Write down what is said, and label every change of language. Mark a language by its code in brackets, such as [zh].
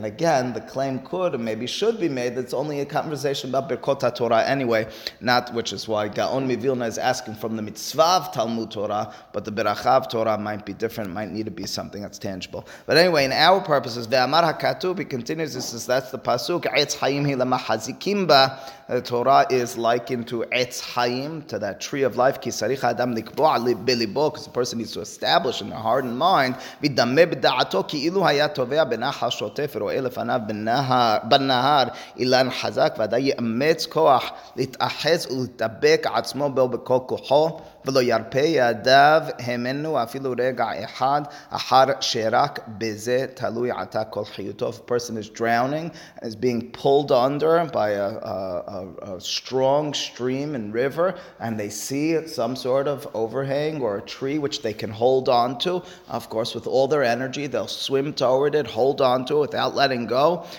[en] And again, the claim could and maybe should be made that it's only a conversation about Birkot HaTorah anyway, not, which is why Gaon Mivilna is asking from the mitzvah of Talmud Torah, but the Berachav Torah might be different, might need to be something that's tangible. But anyway, in our purposes, Ve'amar HaKatub, he continues, he says, that's the pasuk, [he] Etz Chaim hi lemahazikim ba. [en] The Torah is likened to Etz Chaim, to that tree of life, [he] ki sarich adam likbo'a belibo, [en] because the person needs to establish in their heart and mind, [he] vidame b'da'ato ki ilu haya tovea benach השוטף רואה לפניו בנהר אילן חזק ועדיין יאמץ כוח להתאחז ולהתאבק עצמו בו בכל כוחו ולא ירפה ידיו הימנו אפילו רגע אחד אחר שרק בזה תלוי עתה כל חיותו. [en] If a person is drowning, is being pulled under by a strong stream and river, and they see some sort of overhang or a tree which they can hold on to, of course source with all their energy. They'll swim toward it, hold on to it without letting go.